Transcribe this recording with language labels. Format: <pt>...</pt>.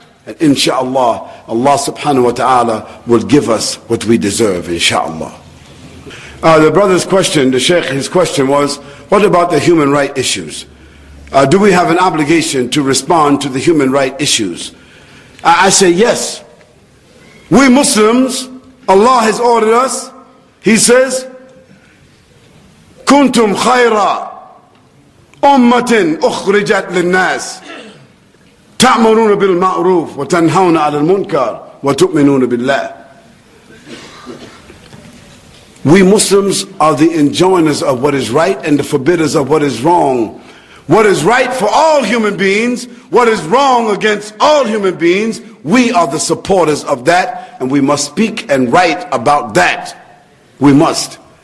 <en>And inshallah, Allah subhanahu wa ta'ala will give us what we deserve, inshallah. The brother's question, the sheikh, his question was, what about the human rights issues? Do we have an obligation to respond to the human rights issues? I say yes. We Muslims, Allah has ordered us. He says,</en> <ar>كنتم خيرا أمة أخرجت للناس تأمرون بالمعروف وتنهون عن المنكر وتؤمنون بالله.</ar> <en>We Muslims are the enjoiners of what is right and the forbidders of what is wrong. What is right for all human beings, what is wrong against all human beings, we are the supporters of that, and we must speak and write about that. We must.</en>